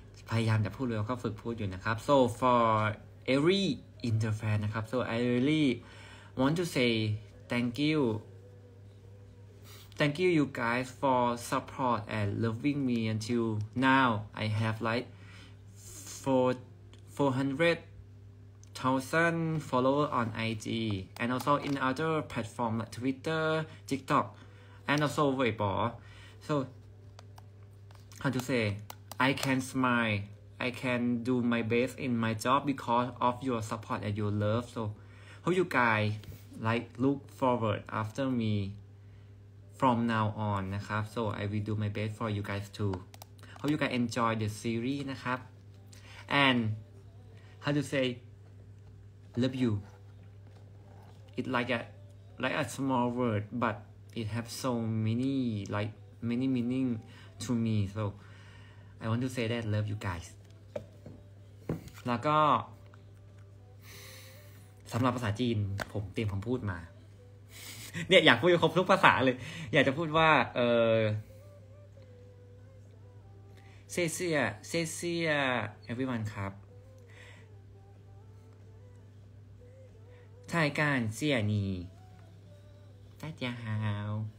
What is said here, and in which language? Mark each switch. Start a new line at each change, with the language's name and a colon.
Thai: พยายามจะพูดเร็วก็ฝึกพูดอยู่นะครับ
English: so for every inter fan นะครับ so I really want to say thank you you guys for support and loving me until now I have like 400,000 followers on IG and also in other platforms like Twitter, TikTok and also Weibo. So how to say, I can smile, I can do my best in my job because of your support and your love. So hope you guys like look forward after me from now on นะครับ. So I will do my best for you guys too. Hope you guys enjoy the series นะครับ. And how to sayLove you. It's like a small word, but it have so many like many meaning to me. So I want to say that love you guys.
Thai: แล้วก็สำหรับภาษาจีนผมเตรียมคำพูดมาเนี่ยอยากพูดครบทุกภาษาเลยอยากจะพูดว่าเซเซียเซเซีย everyone ครับไทการเซียนีตาจาฮาว